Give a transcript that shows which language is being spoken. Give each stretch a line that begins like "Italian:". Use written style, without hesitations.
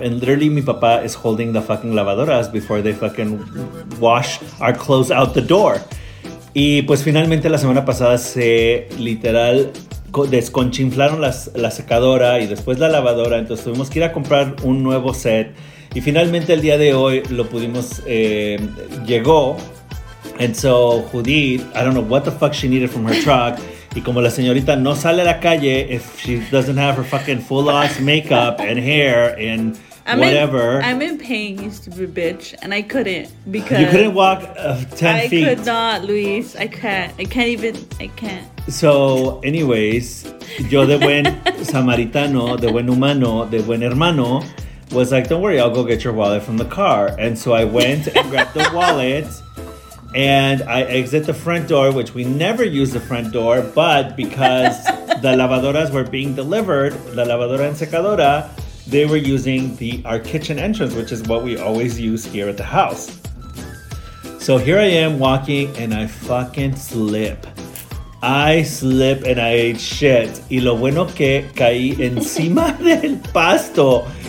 English: And literally,
Spanish: mi papá
English: is holding the fucking lavadoras before they fucking wash our clothes out the door.
Spanish: Y pues finalmente la semana pasada se literal desconchinflaron la secadora y después la lavadora. Entonces tuvimos que ir a comprar un nuevo set. Y finalmente el día de hoy lo pudimos, llegó.
English: And so Judith, I don't know what the fuck she needed from her truck.
Spanish: Y como la señorita no sale a la calle,
English: if she doesn't have her fucking full-ass makeup and hair and whatever. I'm in pain, you stupid bitch. And I couldn't because... You couldn't walk 10 feet. I could not, Luis. I can't. I can't. So, anyways,
Spanish: yo de buen samaritano, de buen humano, de buen hermano,
English: was like, don't worry, I'll go get your wallet from the car. And so I went and grabbed the wallet. And I exit the front door, which we never use the front door, but because the lavadoras were being delivered, la lavadora and secadora, they were using our kitchen entrance, which is what we always use here at the house. So here I am walking and I fucking slip. I slip and I shit.
Spanish: Y lo bueno que caí encima del pasto.